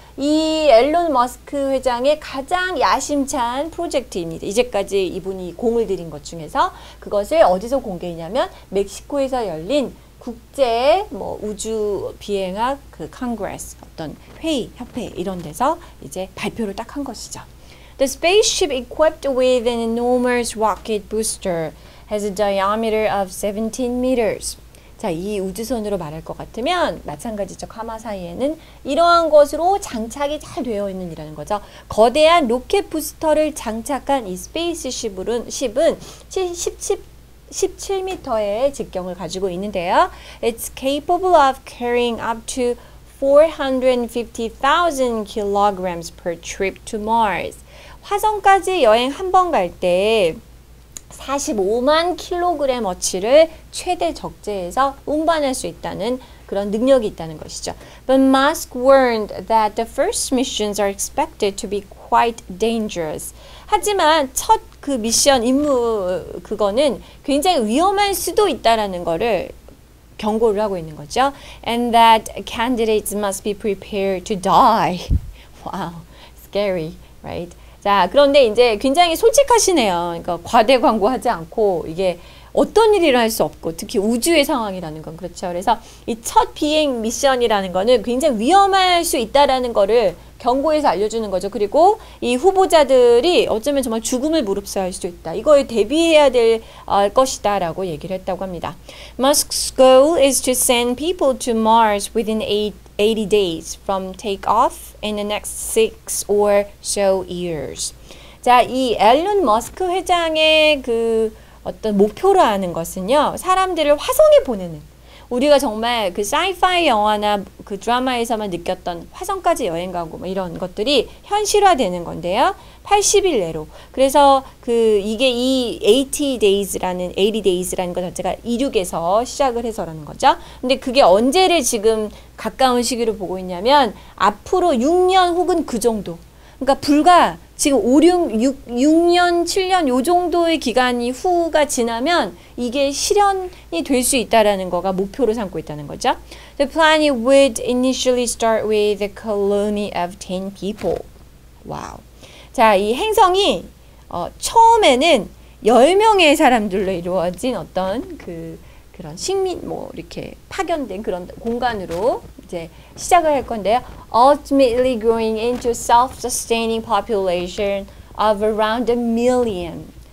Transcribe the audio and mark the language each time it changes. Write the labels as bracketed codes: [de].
[ko] 이 앨런 머스크 회장의 가장 야심찬 프로젝트입니다. 이제까지 이분이 공을 들인 것 중에서 그것을 어디서 공개했냐면 멕시코에서 열린 국제 뭐 우주 비행학 그 컨그레스 어떤 회의 협회 이런 데서 이제 발표를 딱 한 것이죠. [en] The spaceship equipped with an enormous rocket booster has a diameter of 17 meters. [ko] 자, 이 우주선으로 말할 것 같으면 마찬가지죠. 카마 사이에는 이러한 것으로 장착이 잘 되어 있는 이라는 거죠. 거대한 로켓 부스터를 장착한 이 스페이스십은 17m의 직경을 가지고 있는데요. [en] It's capable of carrying up to 450,000 kilograms per trip to Mars. [ko] 화성까지 여행 한 번 갈 때 45만 킬로그램 어치를 최대 적재해서 운반할 수 있다는 그런 능력이 있다는 것이죠. [en] But Musk warned that the first missions are expected to be quite dangerous. [ko] 하지만 첫 그 미션 임무 그거는 굉장히 위험할 수도 있다라는 거를 경고를 하고 있는 거죠. [en] And that candidates must be prepared to die. Wow, scary, right? [ko] 자, 그런데 이제 굉장히 솔직하시네요. 그러니까 과대광고하지 않고 이게 어떤 일이라 할 수 없고 특히 우주의 상황이라는 건 그렇죠. 그래서 이 첫 비행 미션이라는 거는 굉장히 위험할 수 있다라는 거를 경고해서 알려주는 거죠. 그리고 이 후보자들이 어쩌면 정말 죽음을 무릅쓰게 할 수도 있다. 이거에 대비해야 될 것이다 라고 얘기를 했다고 합니다. [en] Musk's goal is to send people to Mars within 80 days from takeoff in the next 6 or so years. [ko] 자, 이 앨런 머스크 회장의 그 어떤 목표로 하는 것은요. 사람들을 화성에 보내는 우리가 정말 그 사이파이 영화나 그 드라마에서만 느꼈던 화성까지 여행 가고 뭐 이런 것들이 현실화되는 건데요. 80일 내로. 그래서 그 이게 이 80 days라는 것 자체가 이륙에서 시작을 해서라는 거죠. 근데 그게 언제를 지금 가까운 시기로 보고 있냐면 앞으로 6년 혹은 그 정도. 그러니까 불과 지금 6년, 7년 요 정도의 기간이 후가 지나면 이게 실현이 될 수 있다라는 거가 목표로 삼고 있다는 거죠. [en] The plan would initially start with a colony of 10 people. 와우. Wow. [ko] 자, 이 행성이 처음에는 10명의 사람들로 이루어진 어떤 그런 식민 뭐 이렇게 파견된 그런 공간으로 이제 시작을 할 건데요. [en] Ultimately growing into self-sustaining population of around a million.